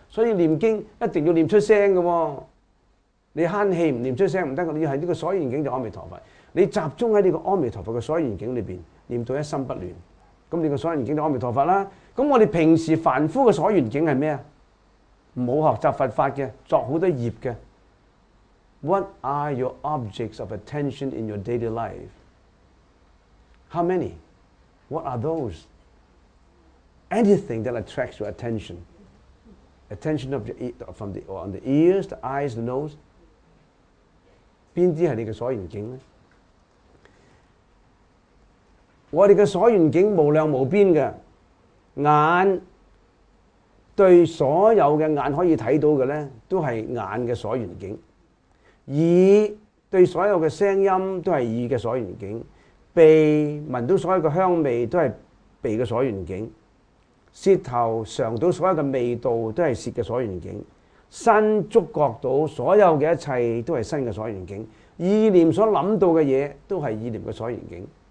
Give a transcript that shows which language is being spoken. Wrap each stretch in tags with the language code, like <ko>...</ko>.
<zh>所以念經一定要念出聲的，你慳氣不念出聲不行，你是這個所緣境就是阿彌陀佛。你集中在這個阿彌陀佛的所緣境裡面念到一心不亂，那你的所緣境就是阿彌陀佛。那我們平時凡夫的所緣境是什麼？不要學習佛法的，作很多業的。</zh> <en>What are your objects of attention in your daily life? How many? What are those? Anything that attracts your attention, attention of your, from the, on the ears, the eyes, the nose,</en> <zh>哪些是你的所緣境呢？我們的所緣境無量無邊的，眼對所有的眼可以看到的呢，都是眼的所緣境，耳對所有的聲音都是耳的所緣境，鼻聞到所有的香味都是鼻的所緣境，舌头尝到所有的味道都是舌的所缘境，身触觉到所有的一切都是身的所缘境，意念所想到的东西都是意念的所缘境。</zh>